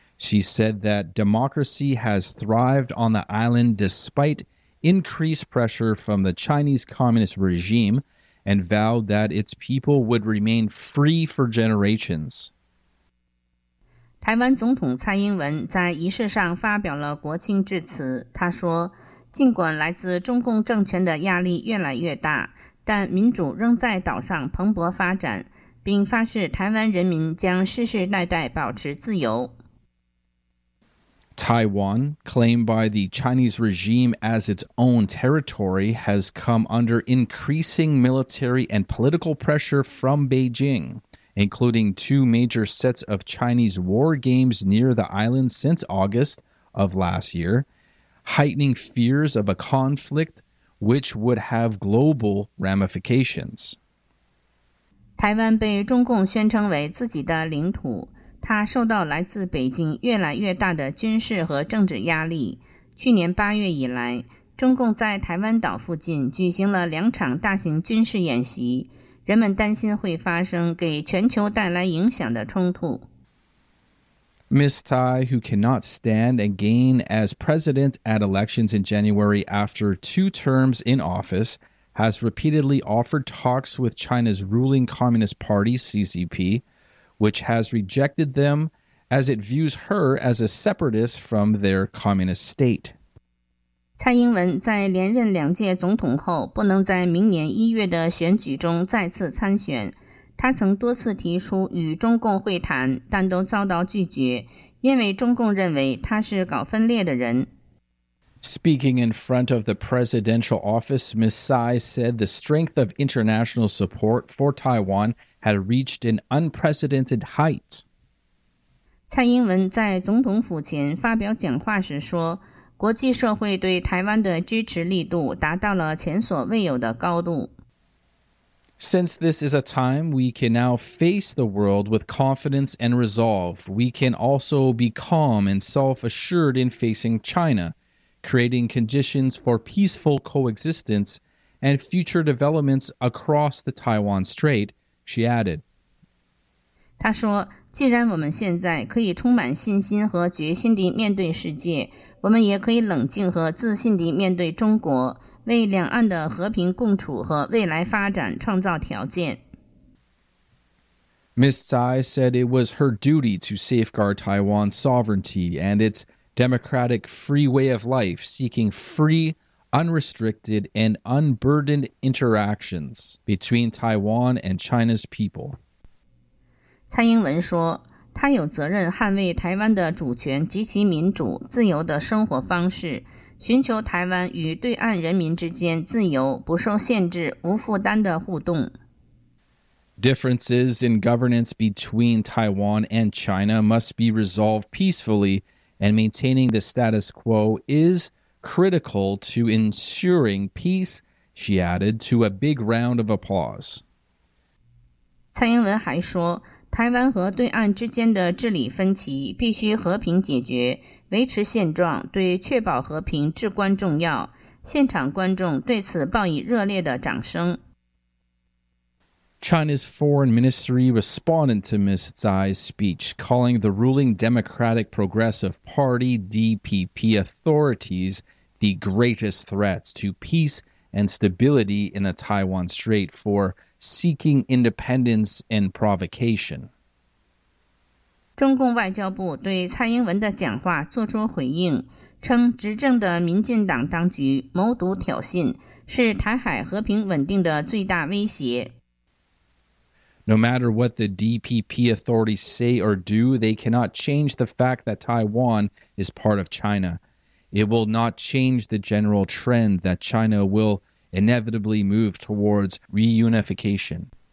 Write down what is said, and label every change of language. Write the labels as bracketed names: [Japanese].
[English] She said that democracy has thrived on the island despite increased pressure from the Chinese Communist regime and vowed that its people would remain free for generations. [Chinese] 台湾总统蔡英文在仪式上发表了国庆致辞，他说，尽管来自中共政权的压力越来越大，但民主仍在岛上蓬勃发展，并发誓台湾人民将世世代代保持自由。 [English] Taiwan, claimed by the Chinese regime as its own territory, has come under increasing military and political pressure from Beijing, including two major sets of Chinese war games near the island since August of last year, heightening fears of a conflict which would have global ramifications. [Chinese] 台湾被中共宣称为自己的领土，它受到来自北京越来越大的军事和政治压力。去年八月以来，中共在台湾岛附近举行了两场大型军事演习，人们担心会发生给全球带来影响的冲突。 [English] Ms. Tsai, who cannot stand again as president at elections in January after two terms in office, has repeatedly offered talks with China's ruling Communist Party, CCP, which has rejected them as it views her as a separatist from their communist state. [Chinese] 蔡英文在连任两届总统后不能在明年一月的选举中再次参选。他曾多次提出与中共会谈，但都遭到拒绝，因为中共认为他是搞分裂的人。 [English] Speaking in front of the presidential office, Ms. Tsai said the strength of international support for Taiwan had reached an unprecedented height. [Chinese] 蔡英文在总统府前发表讲话时说，国际社会对台湾的支持力度达到了前所未有的高度。 [English] Since this is a time we can now face the world with confidence and resolve, we can also be calm and self-assured in facing China, creating conditions for peaceful coexistence and future developments across the Taiwan Strait, she added. [Chinese] 她说，既然我们现在可以充满信心和决心地面对世界，我们也可以冷静和自信地面对中国。为两岸的和平共处和未来发展创造条件。 [English] Ms. Tsai said it was her duty to safeguard Taiwan's sovereignty and its democratic free way of life, seeking free, unrestricted, and unburdened interactions between Taiwan and China's people. [Chinese] 蔡英文说，她有责任捍卫台湾的主权及其民主、自由的生活方式，寻求台湾与对岸人民之间自由、不受限制、无负担的互动。 [English] Differences in governance between Taiwan and China must be resolved peacefully, and maintaining the status quo is critical to ensuring peace, she added, to a big round of applause. [Chinese] 蔡英文还说，台湾和对岸之间的治理分歧必须和平解决，维持现状对确保和平至关重要。现场观众对此报以热烈的掌声。 [English] China's foreign ministry responded to Ms. Tsai's speech, calling the ruling Democratic Progressive Party DPP authorities the greatest threats to peace and stability in the Taiwan Strait for seeking independence and provocation. [Chinese] 中共外交部对蔡英文的讲话作出回应，称执政的民进党当局谋独挑衅，是台海和平稳定的最大威胁。 [English] No matter what the DPP authorities say or do, they cannot change the fact that Taiwan is part of China. It will not change the general trend that China will inevitably move towards reunification.